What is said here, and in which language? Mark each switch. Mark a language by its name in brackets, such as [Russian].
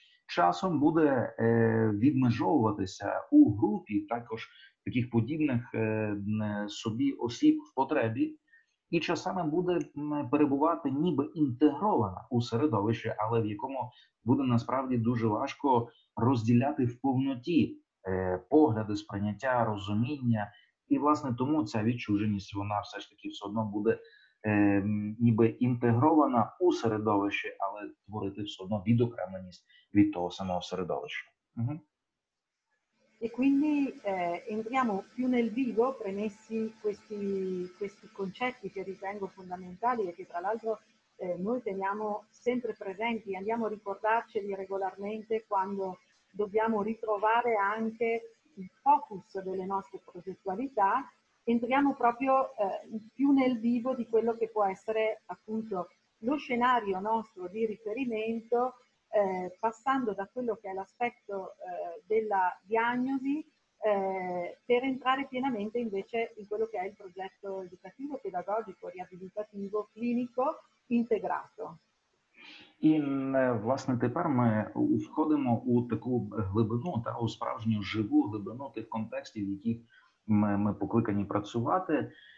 [Ukrainian] Часом буде відмежовуватися у групі також таких подібних собі осіб в потребі, і часами буде перебувати ніби інтегрована у середовище, але в якому буде насправді дуже важко розділяти в повноті погляди, сприйняття, розуміння. І, власне, тому ця відчуженість, вона все ж таки все одно буде ніби інтегрована у середовище, але творити все одно відокремленість від того самого середовища. [Italian] E quindi entriamo più nel vivo, premessi questi, questi concetti che ritengo fondamentali e che tra l'altro noi teniamo sempre presenti, andiamo a ricordarceli regolarmente quando dobbiamo ritrovare anche il focus delle nostre progettualità. Entriamo proprio più nel vivo di quello che può essere appunto lo scenario nostro di riferimento, passando da quello che è l'aspetto della diagnosi per entrare pienamente invece in quello che è il progetto educativo, pedagogico, riabilitativo, clinico, integrato. [Ukrainian] Власне, тепер ми входимо у таку глибину, та у справжню живу глибину тих контекстів, в яких ми покликані працювати.